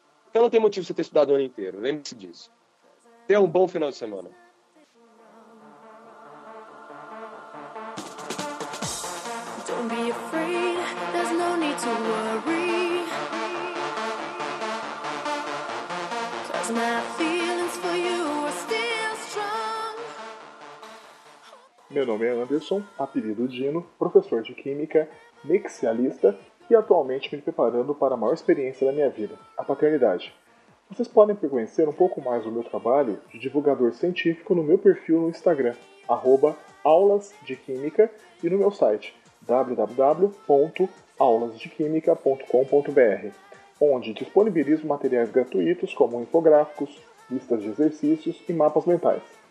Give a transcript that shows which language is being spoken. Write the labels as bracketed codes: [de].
[pt] Então não tem motivo você ter estudado o ano inteiro, lembre-se disso. Tenha um bom final de semana. [en] Be afraid, there's no need to worry. 'Cause my feelings for you are still strong. [pt] Meu nome é Anderson, apelido Dino, professor de química, mixialista e atualmente me preparando para a maior experiência da minha vida, a paternidade. Vocês podem conhecer um pouco mais do meu trabalho de divulgador científico no meu perfil no Instagram, @aulasdequimica, e no meu site, www.aulasdequimica.com.br, onde disponibilizo materiais gratuitos como infográficos, listas de exercícios e mapas mentais.